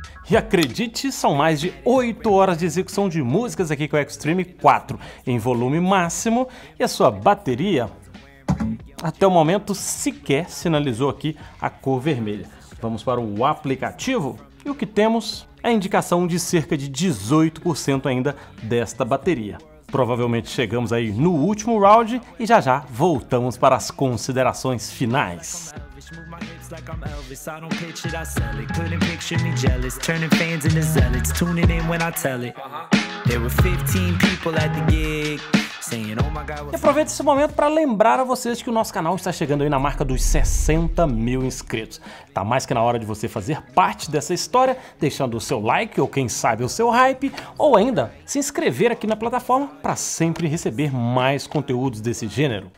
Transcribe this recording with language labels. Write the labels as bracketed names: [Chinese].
[Portuguese] E acredite, são mais de 8 horas de execução de músicas aqui com o Xtreme 4 em volume máximo, e a sua bateria até o momento sequer sinalizou aqui a cor vermelha. Vamos para o aplicativo e o que temos é a indicação de cerca de 18% ainda desta bateria. Provavelmente chegamos aí no último round e já já voltamos para as considerações finais. [English] Move my hips like I'm Elvis, I don't pitch it, I sell it. Couldn't picture me jealous, turning fans into zealots, tuning in when I tell it. There were 15 people at the gig. [Portuguese] E aproveito esse momento para lembrar a vocês que o nosso canal está chegando aí na marca dos 60 mil inscritos. Tá mais que na hora de você fazer parte dessa história, deixando o seu like ou quem sabe o seu hype, ou ainda se inscrever aqui na plataforma para sempre receber mais conteúdos desse gênero.